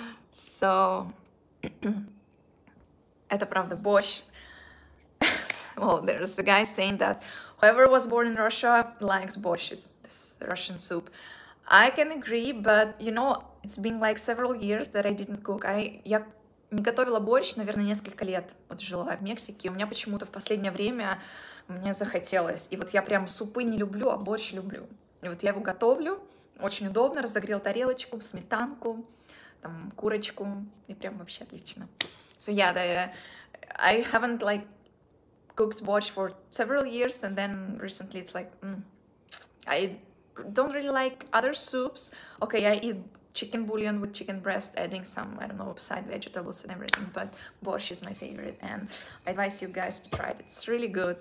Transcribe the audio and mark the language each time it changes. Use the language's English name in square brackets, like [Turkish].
[Russian] So, это правда, борщ. [English] Well, there's the guy saying that whoever was born in Russia likes borscht. It's this Russian soup. I can agree, but you know, it's been like several years that I didn't cook. [Russian] Я не готовила борщ, наверное, несколько лет. Вот жила в Мексике, у меня почему-то в последнее время мне захотелось. И вот я прям супы не люблю, а борщ люблю. И вот я его готовлю, очень удобно, разогрел тарелочку, сметанку, там, курочку, и прям вообще отлично. [English] So yeah, I haven't like cooked borscht for several years, and then recently it's like, I don't really like other soups. Okay, I eat chicken bouillon with chicken breast, adding some, I don't know, side vegetables and everything, but borscht is my favorite, and I advise you guys to try it. It's really good.